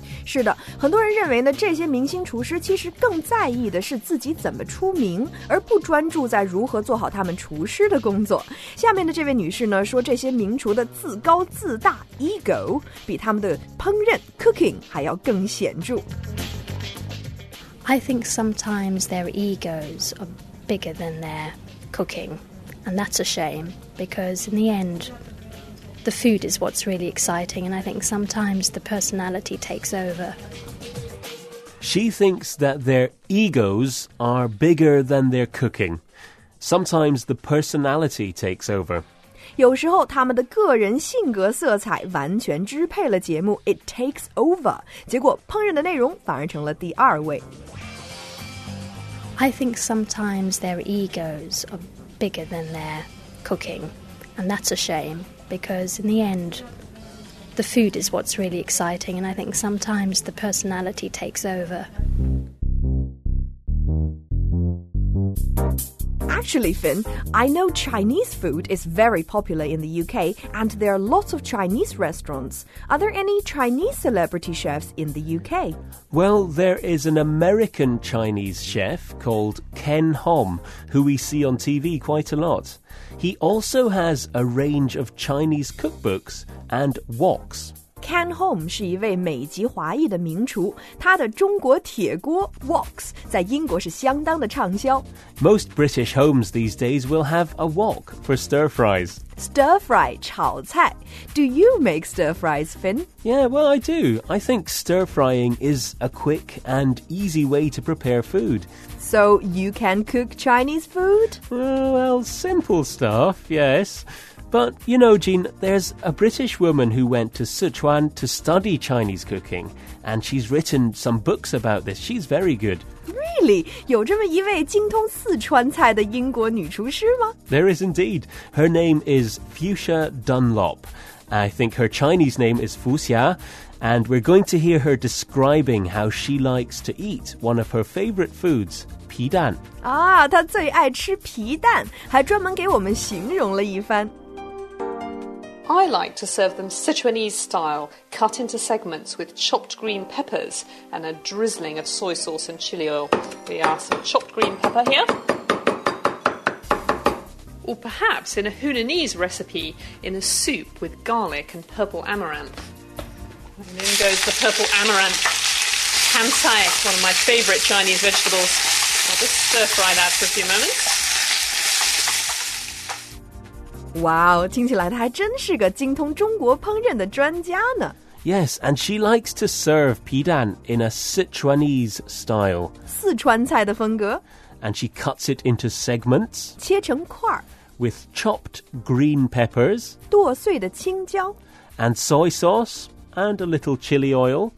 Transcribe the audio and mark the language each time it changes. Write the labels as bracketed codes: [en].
[zh] 是的，很多人认为呢，这些明星厨师其实更在意的是自己怎么出名，而不专注在如何做好他们厨师的工作。下面的这位女士呢，说这些名厨的自高自大 ego 比他们的烹饪 cooking 还要更显著。 [en] I think sometimes their egos are bigger than their... cooking and that's a shame because in the end the food is what's really exciting and I think sometimes the personality takes over she thinks that their egos are bigger than their cooking sometimes the personality takes over [zh] 有时候他们的个人性格色彩完全支配了节目 [en] it takes over [zh] 结果烹饪的内容反而成了第二位 [en] I think sometimes their egos are bigger than their cooking, and that's a shame, because in the end, the food is what's really exciting, and I think sometimes the personality takes over. Actually, Finn, I know Chinese food is very popular in the UK, and there are lots of Chinese restaurants. Are there any Chinese celebrity chefs in the UK? Well, there is an American Chinese chef called Ken Hom, who we see on TV quite a lot. He also has a range of Chinese cookbooks and woks. [zh] Ken Hom 是一位美籍华裔的名厨，他的中国铁锅 Wok 在英国是相当的畅销。 [en] Most British homes these days will have a wok for stir fries. [zh] Stir fry 炒菜。 [en] Do you make stir fries, Finn? Yeah, well, I do. I think stir frying is a quick and easy way to prepare food. So you can cook Chinese food? Well, simple stuff, yes. But, you know, Jean, there's a British woman who went to Sichuan to study Chinese cooking, and she's written some books about this. She's very good. Really? [zh] 有这么一位精通四川菜的英国女厨师吗? [en] There is indeed. Her name is Fuxia Dunlop. I think her Chinese name is Fuxia, and we're going to hear her describing how she likes to eat one of her favorite foods, [zh] 皮蛋。啊，他最爱吃皮蛋，还专门给我们形容了一番。 [en] I like to serve them Sichuanese style, cut into segments with chopped green peppers and a drizzling of soy sauce and chili oil. We have some chopped green pepper here. Or perhaps in a Hunanese recipe, in a soup with garlic and purple amaranth. And in goes the purple amaranth. Han Cai, one of my favourite Chinese vegetables. I'll just stir fry that for a few moments. [zh] 哇哦，听起来她还真是个精通中国烹饪的专家呢。 [en] Yes, and she likes to serve 皮蛋 in a Sichuanese style. [zh] 四川菜的风格。 [en] And she cuts it into segments. [zh] 切成块。 [en] With chopped green peppers. [zh] 剁碎的青椒。 [en] And soy sauce and a little chili oil.